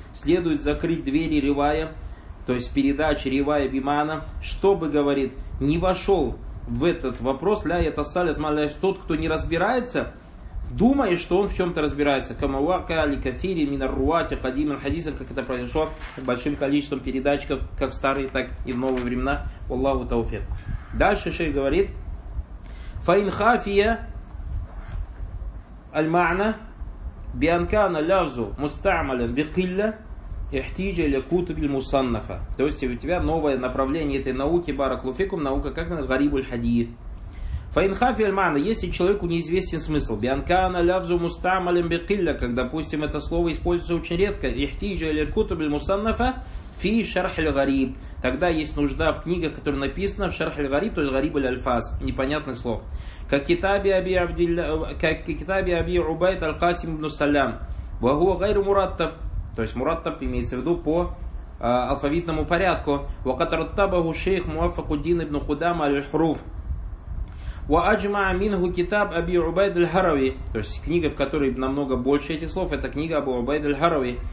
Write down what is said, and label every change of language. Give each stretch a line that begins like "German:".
Russian: Следует закрыть двери ривая, то есть передачи ривая бимана, чтобы, говорит, не вошел в этот вопрос, ля это саллят, ман ля тот, кто не разбирается, думая, что он в чем-то разбирается.
Arabic: Камауака али кафири мина руати кадимин хадисам,
Russian: как это произошло, большим количеством передатчиков, как в старые, так и в новые времена.
Arabic: Аллаху тауфик.
Russian: Дальше шейх говорит,
Arabic: فإن خافية المعنى بأن كان اللفظ مستعملا بقلة احتاج إلى كتب المصنفة.
Russian: То есть у тебя новое направление этой науки баракалуфикум, наука как на гариб аль-хадис.
Arabic: فإن خافية المعنى,
Russian: если человеку неизвестен смысл,
Arabic: بأن كان اللفظ مستعملا بقلة,
Russian: как допустим это слово используется очень редко,
Arabic: احتاج إلى كتب المصنفة في شرح الغريب,
Russian: тогда есть нужда в книгах, которые написаны в
Arabic: شرح الغريب,
Russian: то есть
Arabic: غريب الألفاظ,
Russian: непонятных слов. Как
Arabic: كتابي أبي عبيد القاسم بن سلام وهو غير مرتب,
Russian: то есть мураттаб имеется в виду по алфавитному порядку.
Arabic: وقد رتبه الشيخ موفق الدين بن قدام على الحروف وأجمع منه كتاب أبي عبيد الهروي,
Russian: то есть книга, в которой намного больше этих слов, это книга Абу Убайд аль-Харави.